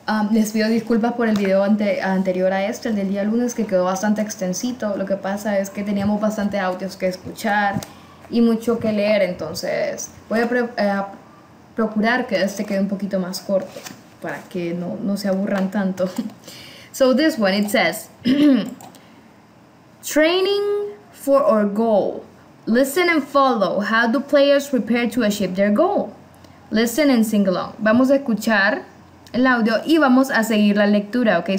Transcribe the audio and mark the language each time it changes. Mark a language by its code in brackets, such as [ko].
[es] Les pido disculpas por el video anterior a este, el del día lunes, que quedó bastante extensito. Lo que pasa es que teníamos bastante audios que escuchar y mucho que leer, entonces voy a procurar que este quede un poquito más corto para que no se aburran tanto. [en] So this one, it says, training for our goal. Listen and follow. How do players prepare to achieve their goal? Listen and sing along. [es] Vamos a escuchar el audio y vamos a seguir la lectura, okay?